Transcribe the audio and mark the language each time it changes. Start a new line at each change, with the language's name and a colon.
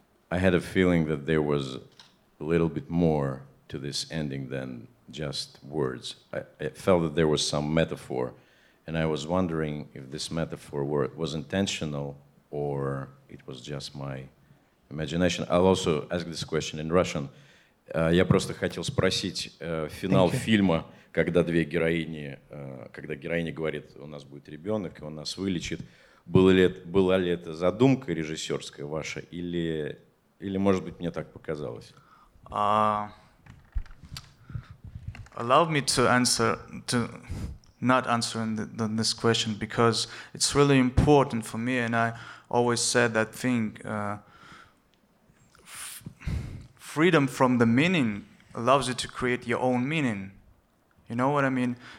English: I had a feeling that there was a little bit more to this ending than just words. I felt that there was some metaphor, and I was wondering if this metaphor was intentional or it was just my imagination. I'll also ask this question in Russian.
Russian: Я просто хотел спросить финал фильма, когда две героини, когда героиня говорит, у нас будет ребенок, и он нас вылечит. Была ли это задумка режиссерская ваша, или может быть, мне так показалось?
English: Allow me to answer, to not answer this question, because it's really important for me, and I always said that thing. Freedom from the meaning allows you to create your own meaning. You know what I mean?